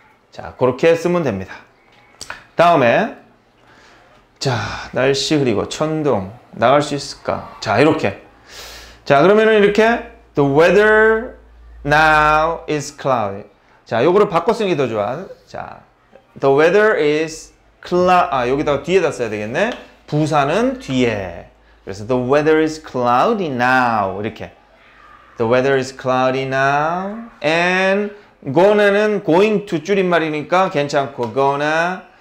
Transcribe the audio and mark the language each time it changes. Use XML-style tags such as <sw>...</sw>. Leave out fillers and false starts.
<ko>자, 그렇게 쓰면 됩니다. 다음에 자, 날씨 흐리고 천둥 나갈 수 있을까? 자, 이렇게. 자, 그러면은 이렇게</ko> <en>the weather now is cloudy.</en> <ko>자, 요거를 바꿔 쓰는 게 더 좋아.</ko> <en>자, the weather is cloud.</en> <ko>아, 여기다가 뒤에다 써야 되겠네. 부사는 뒤에.</ko> <en>그래서 the weather is cloudy now.</en> <ko>이렇게.</ko> <en>The weather is cloudy now. And gonna는 going to</en> <ko>줄임말이니까 괜찮고</ko> <en>gonna.</en>